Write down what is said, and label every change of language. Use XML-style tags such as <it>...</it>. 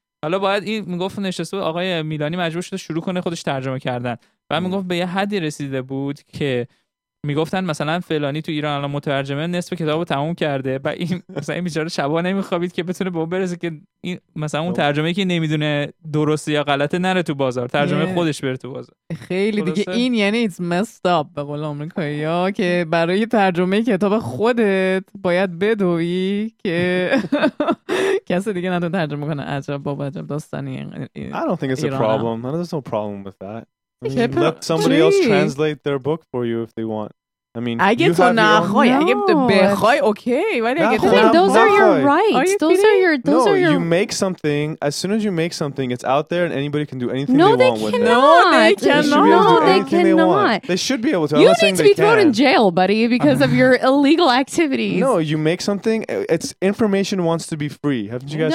<fa>حالا باید این، میگفت نشسته آقای میلانی مجبور شده شروع کنه خودش ترجمه کردن، بعد میگفت به یه حدی رسیده بود که میگفتن مثلا فلانی تو ایران الان مترجمه نصف کتابو تموم کرده و این مثلا این بیچاره شبا نمیخوابید که بتونه به اون برسه که این مثلا اون ترجمه‌ای که نمیدونه درسته یا غلطه نره تو بازار، ترجمه خودش بره تو بازار. خیلی دیگه این یعنی</fa> <en>it's messed up</en> <fa>به قول آمریکایی‌ها، که برای ترجمه کتاب خودت باید بدوی که کسی دیگه نتونه ترجمه کنه. عجب بابا، عجب داستانی.</fa> <en>I don't think it's a problem with that. Let somebody else translate their book for you if they want. I mean,</en> <fa>اگه تو نخوای، اگه تو بخوای، اوکی. ولی اگه تو نخوای،</fa> <en>those are your rights. Those are your. No, you make something. As soon as you make something, it's out there, and anybody can do anything no, they want cannot. with it. No, they cannot. They should be able to. You need to be thrown in jail, buddy, because of your illegal activities. No, you make something. It's information wants to be free. Haven't you guys?</en>